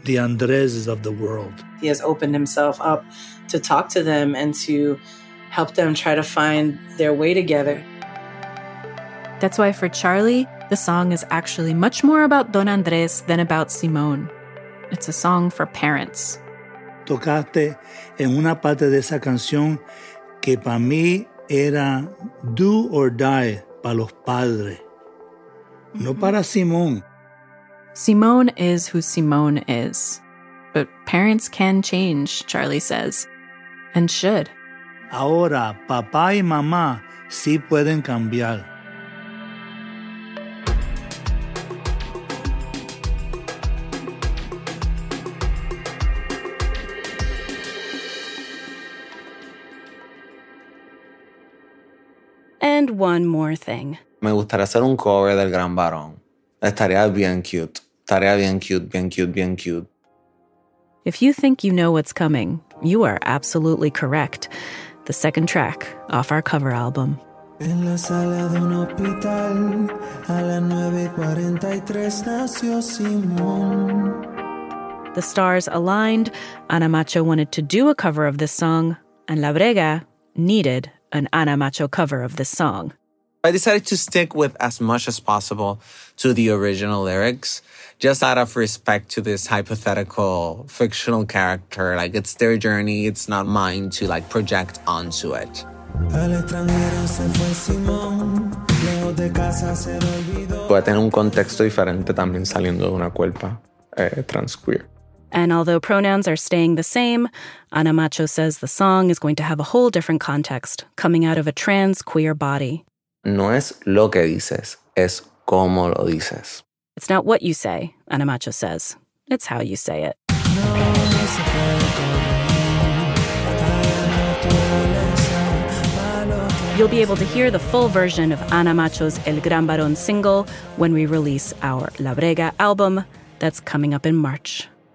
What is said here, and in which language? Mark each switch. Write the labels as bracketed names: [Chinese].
[English] The Andreses of the world. He has opened himself up to talk to them and to help them try to find their way together. That's why for Charlie, the song is actually much more about Don Andres than about Simón. It's a song for parents. [Spanish] Tocaste en una parte de esa canción que para mí era [English] do or die [Spanish] para los padres, no para Simón. [English] Simón is who Simón is. But parents can change, Charlie says, and should. [Spanish] Ahora, papá y mamá sí pueden cambiar. [English] And And one more thing. [Spanish] Me gustaría hacer un cover del Gran Varón. Estaría bien cute. Estaría bien cute, bien cute, bien cute. [English] If you think you know what's coming, you are absolutely correct. The second track off our cover album. [Spanish] En la sala de un hospital, a las 9:43 nació Simón. [English] The stars aligned, Ana Macho wanted to do a cover of this song, and La Brega needed an Ana Macho cover of this song. I decided to stick with as much as possible to the original lyrics, just out of respect to this hypothetical, fictional character. Like, it's their journey, it's not mine to, like, project onto it. [Spanish] Puede tener un contexto diferente también saliendo de una cuerpa transqueer. [English] And although pronouns are staying the same, Ana Macho says the song is going to have a whole different context coming out of a trans queer body. [Spanish] No es lo que dices, es cómo lo dices. [English] It's not what you say, Ana Macho says. It's how you say it. You'll be able to hear the full version of Ana Macho's El Gran Barón single when we release our La Brega album that's coming up in March.